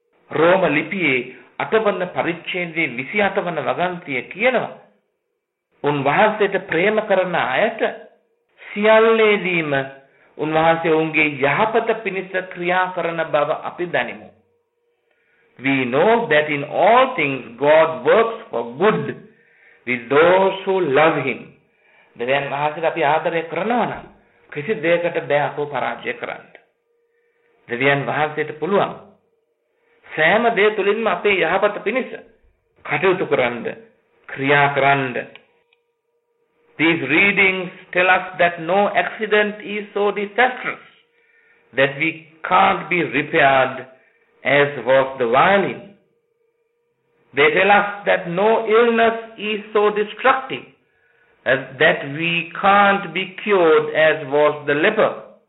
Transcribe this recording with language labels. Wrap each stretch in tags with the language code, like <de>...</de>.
<si>රෝම ලිපියේ 8 පරිච්ඡේදයේ 28 වගන්තිය කියනවා. උන්වහන්සේට ප්‍රේම කරන අයට සියල්ලේදීම උන්වහන්සේ ඔවුන්ගේ යහපත පිණිස ක්‍රියා කරන බව අපි දනිමු.</si> <en>We know that in all things God works for good with those who love him.</en> <si>දෙවියන් වහන්සේ අපි ආදරය කරනවා නම් කිසි දෙයකට බෑ අපව පරාජය කරන්න. දෙවියන් වහන්සේට පුළුවන් සෑම දේ තුළින්ම අපේ යහපත පිණිස කටයුතු කරන්න, ක්‍රියා කරන්න.</si> <en>These readings tell us that no accident is so disastrous that we can't be repaired as was the violin. They tell us that no illness is so destructive as that we can't be cured as was the leper.</en>